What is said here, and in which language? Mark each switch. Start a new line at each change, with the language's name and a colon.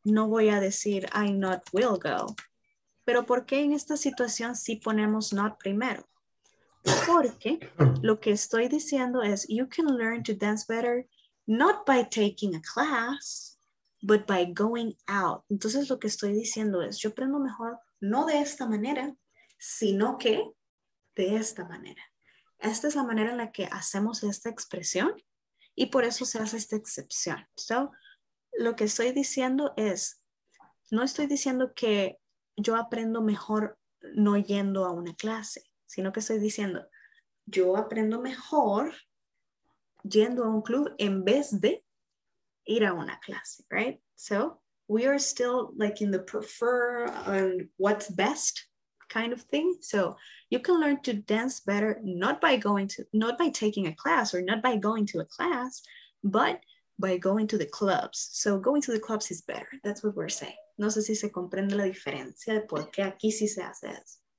Spanish: No voy a decir
English: I not will go.
Spanish: Pero ¿por qué en esta situación sí ponemos not primero? Porque lo que estoy diciendo es
English: you can learn to dance better not by taking a class, but by going out.
Spanish: Entonces lo que estoy diciendo es yo aprendo mejor no de esta manera, sino que de esta manera. Esta es la manera en la que hacemos esta expresión y por eso se hace esta excepción. So, lo que estoy diciendo es no estoy diciendo que yo aprendo mejor no yendo a una clase, sino que estoy diciendo yo aprendo mejor yendo a un club en vez de ir a una clase, right?
English: So we are still like in the prefer and what's best kind of thing. So you can learn to dance better not by taking a class or not by going to a class, but by going to the clubs. So going to the clubs is better. That's what we're saying.
Spanish: No sé si se comprende la diferencia de por qué aquí sí se hace eso.